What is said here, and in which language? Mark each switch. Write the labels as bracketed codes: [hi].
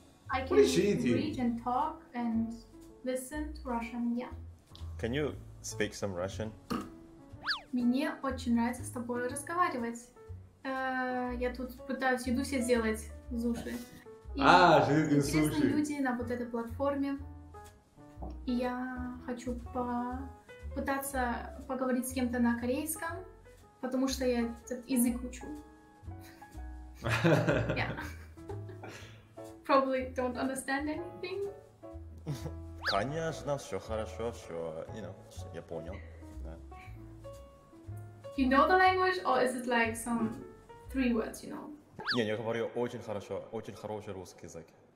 [en] I can read and talk and listen to Russian. Yeah. Can you speak some Russian? [ru] Мне очень нравится с тобой разговаривать. Я тут пытаюсь еду себе сделать с уши. А, жизнь с уши. Интересные люди на вот этой платформе. И я хочу попытаться поговорить с кем-то на корейском, потому что я этот язык учу. [en] Yeah. Probably don't understand anything. [ru] Конечно, все хорошо, все, [en] you know, [ru] я понял. [en] You know the language, or is it like some three words, you know? [ru] Не, я говорю очень хорошо, очень хороший русский язык.